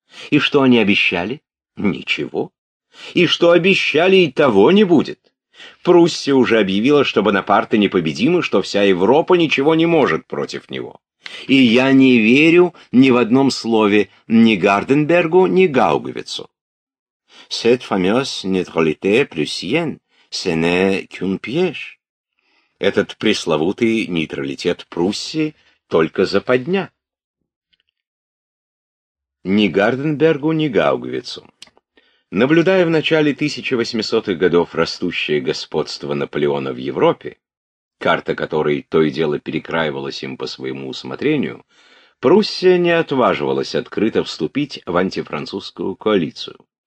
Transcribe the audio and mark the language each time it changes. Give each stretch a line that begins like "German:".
Russian: И что они обещали? Ничего. И что обещали, и того не будет. Пруссия уже объявила, что Бонапарты непобедимы, что вся Европа ничего не может против него. И я не верю ни в одном слове ни Гарденбергу, ни Гаубицу.
French: Cette fameuse neutralité prussienne. «Ce n'est qu'un piège».
Russian: Этот пресловутый нейтралитет Пруссии только западня. Ни Гарденбергу, ни Гаугвицу. Наблюдая в начале 1800-х годов растущее господство Наполеона в Европе, карта которой то и дело перекраивалась им по своему усмотрению, Пруссия не отваживалась открыто вступить в антифранцузскую коалицию.